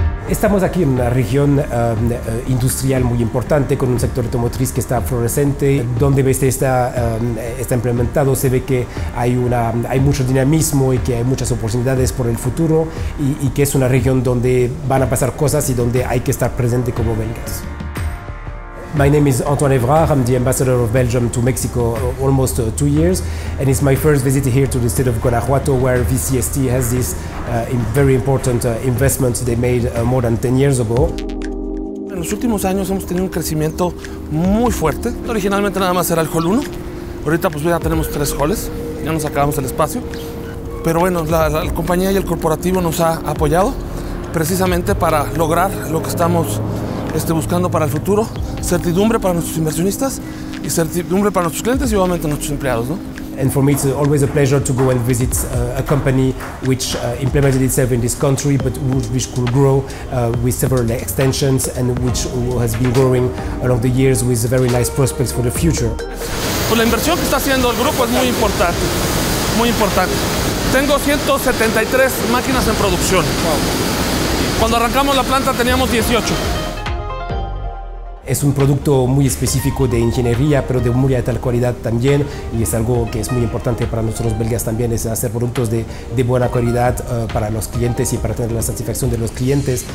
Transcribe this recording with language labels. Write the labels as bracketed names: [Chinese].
[Spanish] Estamos aquí en una región industrial muy importante, con un sector automotriz que está fluorescente. ¿Dónde ves que está implementado? Se ve que hay mucho dinamismo y que hay muchas oportunidades por el futuro, y que es una región donde van a pasar cosas y donde hay que estar presente como vengas. [English] My name is Antoine Evrard. I'm the ambassador of Belgium to Mexico almost 2 years. And it's my first visit here to the state of Guanajuato, where VCST has this very important investment they made more than 10 years ago. [Spanish] En los últimos años hemos tenido un crecimiento muy fuerte. Originalmente nada más era el Hall 1. Ahorita pues ya tenemos 3 halls. Ya nos acabamos el espacio. Pero bueno, la compañía y el corporativo nos ha apoyado precisamente para lograr lo que estamos buscando para el futuro. Certidumbre para nuestros inversionistas y certidumbre para nuestros clientes y obviamente nuestros empleados, ¿no? [English] And for me it's always a pleasure to go and visit a company which implemented itself in this country but which could grow with several extensions and which has been growing along the years with very nice prospects for the future. [Spanish] Pues la inversión que está haciendo el grupo es muy importante, muy importante. Tengo 173 máquinas en producción. Cuando arrancamos la planta teníamos 18. Es un producto muy específico de ingeniería, pero de muy alta calidad también, y es algo que es muy importante para nosotros belgas también, es hacer productos de buena calidad para los clientes y para tener la satisfacción de los clientes.